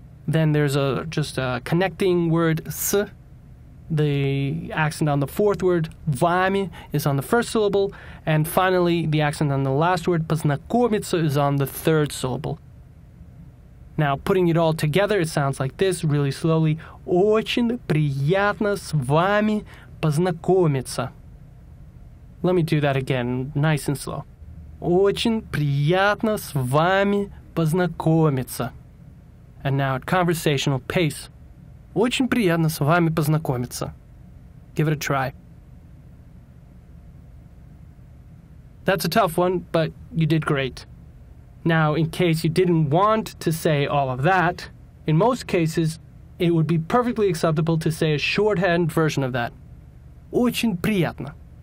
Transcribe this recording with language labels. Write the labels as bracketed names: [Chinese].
[English] Then there's a connecting word, с. The accent on the fourth word, вами, is on the first syllable. And finally, the accent on the last word, познакомиться, is on the third syllable. Now, putting it all together, it sounds like this, really slowly. [Russian] Очень приятно с вами познакомиться. [English] Let me do that again, nice and slow. [Russian] Очень приятно с вами познакомиться. [English] And now at conversational pace. [Russian] Очень приятно с вами познакомиться. [English] Give it a try. That's a tough one, but you did great. Now, in case you didn't want to say all of that, in most cases, it would be perfectly acceptable to say a shorthand version of that. [Russian] Очень приятно.